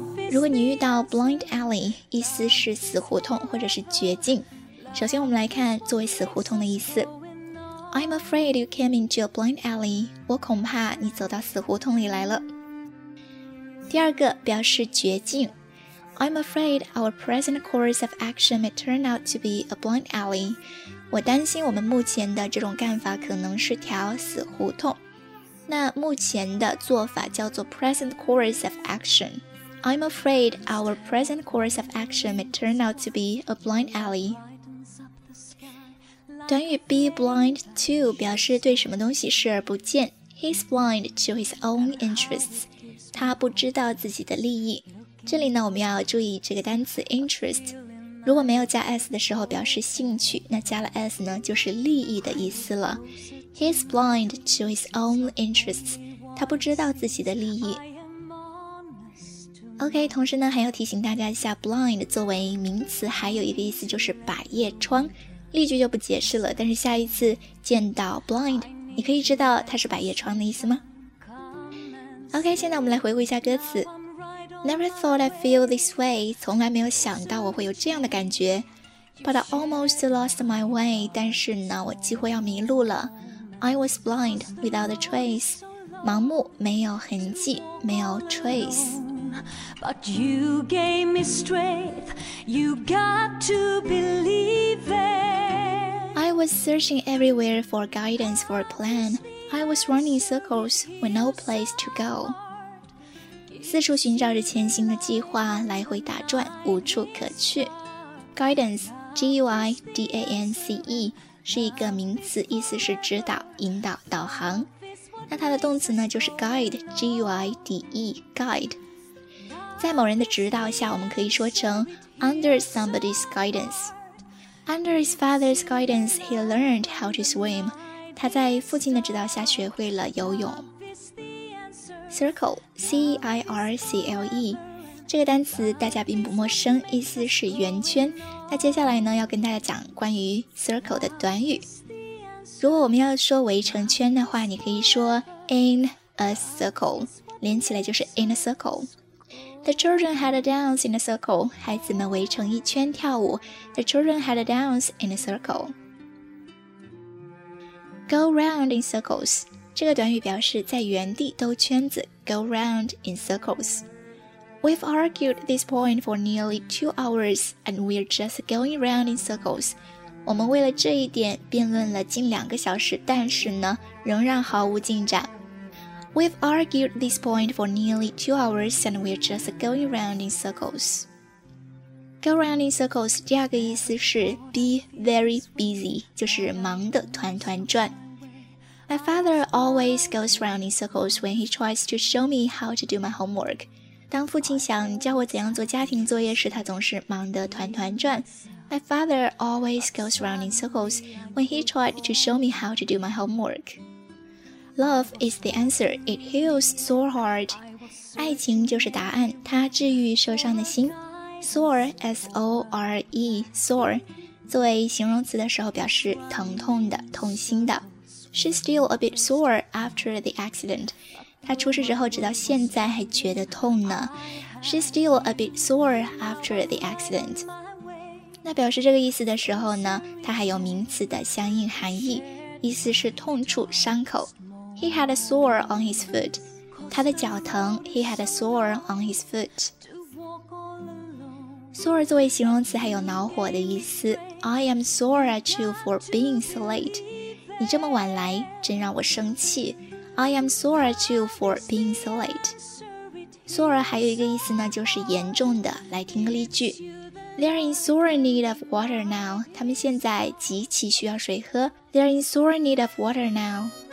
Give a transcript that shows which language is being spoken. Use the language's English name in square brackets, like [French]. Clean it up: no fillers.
[Chinese] 如果你遇到 blind alley， 意思是死胡同或者是绝境。首先我们来看作为死胡同的意思。 [English] I'm afraid you came into a blind alley， [Chinese] 我恐怕你走到死胡同里来了。第二个表示绝境， [English] I'm afraid our present course of action may turn out to be a blind alley， [Chinese] 我担心我们目前的这种干法可能是条死胡同。那目前的做法叫做 [English] present course of action。 I'm afraid our present course of action may turn out to be a blind alley。 [Chinese] 短语 [English] be blind to [Chinese] 表示对什么东西视而不见。 [English] He's blind to his own interests， [Chinese] 他不知道自己的利益。这里呢我们要注意这个单词 interest， 如果没有加 s 的时候表示兴趣，那加了 s 呢就是利益的意思了。 [English] He's blind to his own interests， [Chinese] 他不知道自己的利益。 OK， 同时呢还要提醒大家一下， blind 作为名词还有一个意思就是百叶窗，例句就不解释了，但是下一次见到 blind 你可以知道它是百叶窗的意思吗？ OK， 现在我们来回顾一下歌词。 [English] Never thought I'd feel this way， [Chinese] 从来没有想到我会有这样的感觉。 [English] But I almost lost my way， [Chinese] 但是呢我几乎要迷路了。 [English] I was blind without a trace， [Chinese] 盲目没有痕迹，没有 [English] traceBut you gave me strength, you got to believe it. I was searching everywhere for guidance for a plan. I was running circles with no place to go. [Chinese] 四处寻找着前行的计划，来回打转，无处可去。 Guidance, G-U-I-D-A-N-C-E, 是一个名词，意思是指导、引导、导航。那它的动词呢，就是 guide, G-U-I-D-E, guide. 在某人的指导下，我们可以说成 [English] under somebody's guidance. Under his father's guidance, he learned how to swim. [Chinese] 他在父亲的指导下学会了游泳。Circle, C-I-R-C-L-E, 这个单词大家并不陌生，意思是圆圈。那接下来呢，要跟大家讲关于 circle 的短语。如果我们要说围成圈的话，你可以说 [English] in a circle, [Chinese] 连起来就是 in a circle. [English] The children had a dance in a circle. [Chinese] 孩子们围成一圈跳舞。 [English] The children had a dance in a circle. Go round in circles. [Chinese] 这个短语表示在原地兜圈子。 [English] Go round in circles. We've argued this point for nearly 2 hours, and we're just going round in circles. [Chinese] 我们为了这一点辩论了近两个小时，但是呢，仍然毫无进展。 [English] We've argued this point for nearly 2 hours and we're just going round in circles. [Chinese] Go round in circles, 第二个意思是 [English] be very busy, [Chinese] 就是忙得团团转。 [English] My father always goes round in circles when he tries to show me how to do my homework. [Chinese] 当父亲想教我怎样做家庭作业时，他总是忙得团团转。 [English] My father always goes round in circles when he tried to show me how to do my homework. Love is the answer, it heals sore heart. [Chinese] 爱情就是答案，它治愈受伤的心。Sore, S-O-R-E, sore, 作为形容词的时候表示疼痛的，痛心的。 [English] She's still a bit sore after the accident. [Chinese] 她出事之后直到现在还觉得痛呢。 [English] She's still a bit sore after the accident. [Chinese] 那表示这个意思的时候呢，它还有名词的相应含义，意思是痛处、伤口。 [English] He had a sore on his foot. [Chinese] 他的脚疼。 [English] He had a sore on his foot. [Chinese] Sore 作为形容词还有恼火的意思。 [English] I am sore at you for being so late. [Chinese] 你这么晚来，真让我生气。 [English] I am sore at you for being so late. [Chinese] Sore 还有一个意思呢，就是严重的。来听个例句 ： [English] They're in sore need of water now. [Chinese] 他们现在极其需要水喝。 [English] They're in sore need of water now.